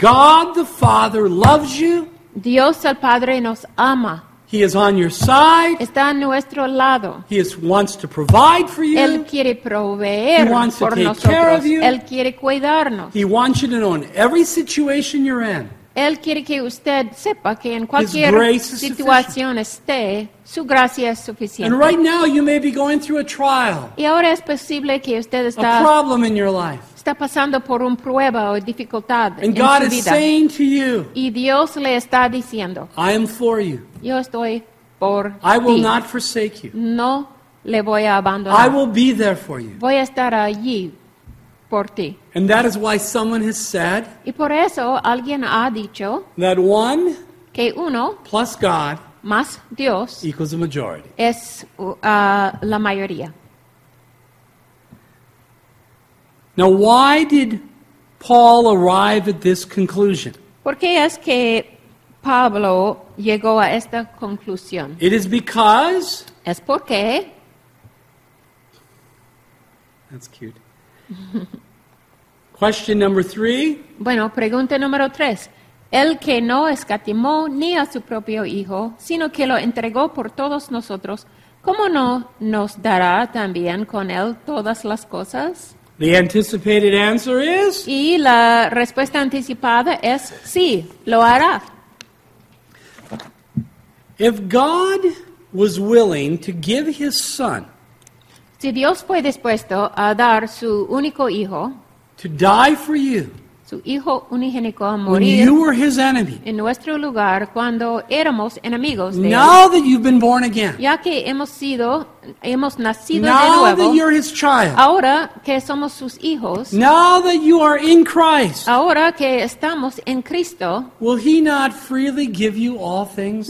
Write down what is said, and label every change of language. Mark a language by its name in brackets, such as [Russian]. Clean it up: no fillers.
[English] God the Father loves you. [Spanish] Dios el Padre nos ama. [English] He is on your side. [Spanish] Está a nuestro lado. [English] He is, wants to provide for you. [Spanish] Él quiere proveer [English] He wants [Spanish] por [English] to take [Spanish] nosotros. [English] Care of you. [Spanish] Él quiere cuidarnos. [English] He wants you to know in every situation you're in. [Spanish] Él quiere que usted sepa que en cualquier situación esté, su gracia es suficiente. [English] And right now you may be going through a trial. [Spanish] Y ahora es posible que usted está [English] a problem in your life. [Spanish] Está pasando por una prueba o dificultad en su vida. [English] And God is saying to you, [Spanish] y Dios le está diciendo, [English] I am for you. [Spanish] Yo estoy por ti. [English] I will not forsake you. [Spanish] No le voy a abandonar. [English] I will be there for you. [Spanish] Voy a estar allí. Por ti. [English] And that is why someone has said [Spanish] y por eso alguien ha dicho [English] that one [Spanish] que uno [English] plus God [Spanish] más Dios [English] equals a majority. [Spanish] Es la mayoría. [English] Now, why did Paul arrive at this conclusion? [Spanish] ¿Por qué es que Pablo llegó a esta conclusión? [English] It is because [Spanish] es porque [English] that's cute. Question number three. [Spanish] Bueno, pregunta número tres. El que no escatimó ni a su propio hijo, sino que lo entregó por todos nosotros, ¿cómo no nos dará también con él todas las cosas? [English] The anticipated answer is. [Spanish] Y la respuesta anticipada es sí, lo hará. [English] If God was willing to give his son. [Spanish] Si Dios fue dispuesto a dar su único hijo, [English] to die for you, [Spanish] su hijo unigénito a morir, [English] when you were his enemy, [Spanish] en nuestro lugar cuando éramos enemigos de [English] now [Spanish] él, [English] that you've been born again, [Spanish] ya que hemos nacido [English] now [Spanish] de nuevo, [English] that you're his child, [Spanish] ahora que somos sus hijos, [English] now that you are in Christ, [Spanish] ahora que estamos en Cristo, [English] will he not freely give you all things